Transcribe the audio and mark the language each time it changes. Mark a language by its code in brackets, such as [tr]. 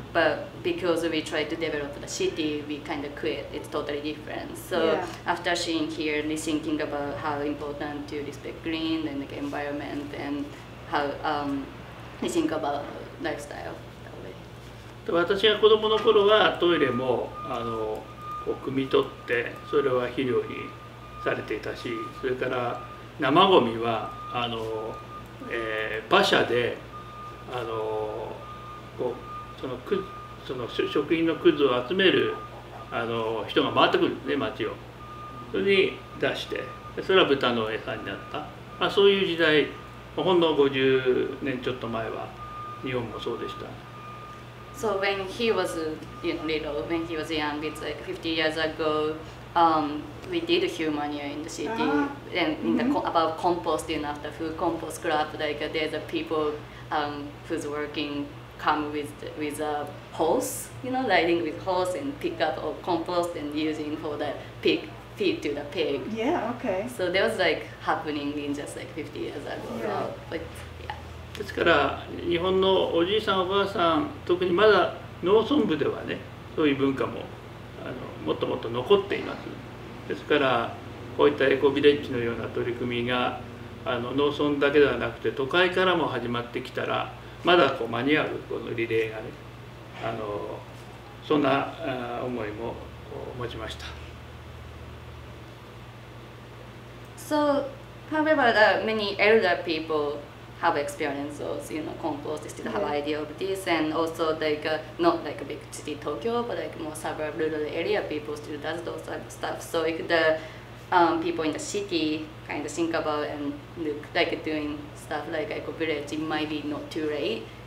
[en] But because we tried to develop the city, we kind of quit. It's totally different. So yeah. After seeing here, thinking about how important to respect green and the like environment and how think about lifestyle that way. [ja] 私が子供の頃はトイレもあのこう汲み取ってそれは肥料にされていたし、それから生ゴミはあの、馬車であのこうそのくその食品のクズを集めるあの人が回ってくるんですね、町を。それに出して、それは豚の餌になった。まあ、そういう時代、ほんの50年ちょっと前は日本もそうでした。 [en] So when he was you know, little, when he was young, it's like 50 years ago,we did huge manure in the city and in the about compost, you know, after food compost club, like there's a people who's working come with a hose, you know, riding with hose and pick up all compost and using for the pig, feed to the pig. Yeah, okay. So that was like happening in just like 50 years ago. Yeah. But, yeah. [ja] ですから日本のおじいさんおばあさん、特にまだ農村部ではね、そういう文化もあのもっともっと残っています。ですからこういったエコビレッジのような取り組みがあの農村だけではなくて都会からも始まってきたら、まだこう間に合うこのリレーがね、あのそんな思いも持ちました。 [en] So, however, many elder people have experience of, you know, compost, they still have an idea of this, and also like not like a big city Tokyo, but like more suburb, rural area people still does those type of stuff. So if the people in the city kind of think about and look like doing stuff like Ecovillage, it might be not too late.